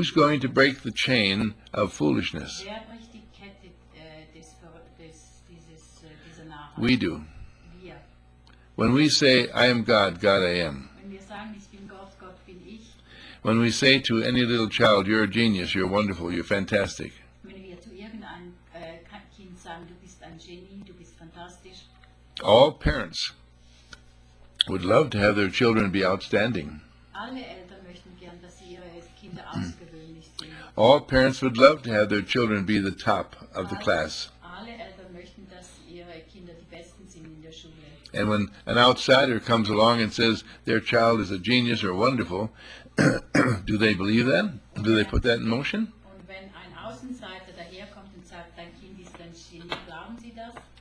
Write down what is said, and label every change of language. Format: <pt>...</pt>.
<en>Who's going to break the chain of foolishness?</en> <de>Wer bricht die Kette, dieser Nachricht?</de> <en>We do.</en> <de>Wir.</de> <en>When we say, I am God, God I am.</en> <de>Wenn wir sagen, ich bin Gott, Gott bin ich.</de> <en>When we say to any little child, you're a genius, you're wonderful, you're fantastic.</en> <de>Wenn wir zu irgendeinem Kind sagen, du bist ein Genie, du bist fantastisch.</de> <en>All parents would love to have their children be outstanding.</en> <de>Alle Eltern möchten gern, dass sie ihre Kinder außergewöhnlich sind.</de> <en>All parents would love to have their children be the top of the class.</en> <de>Alle Eltern möchten, dass ihre Kinder die Besten sind in der Schule.</de> <en>And when an outsider comes along and says their child is a genius or wonderful, do they believe that? Do they put that in motion?</en> <de>Und wenn ein Außenseiter daherkommt und sagt, dein Kind ist ein Genie, glauben sie das?</de>